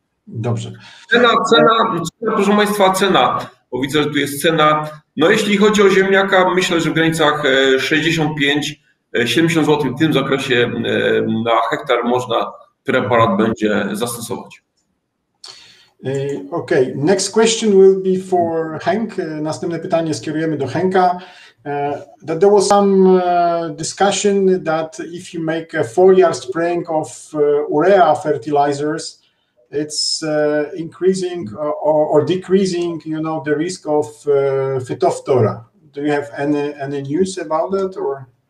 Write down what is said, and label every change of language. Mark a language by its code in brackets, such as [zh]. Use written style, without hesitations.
[pl] Dobrze. Cena, proszę Państwa, cena, bo widzę, że tu jest cena. No jeśli chodzi o ziemniaka, myślę, że w granicach 65-70 zł w tym zakresie na hektar można preparat będzie zastosować. [en] Okay, next question will be for Hank. [pl] Następne pytanie skierujemy do Henka. [en] That there was some discussion that if you make a foliar spraying of urea fertilizers, it's increasing or decreasing, you know, the risk of Phytophthora. Do you have any news about that or?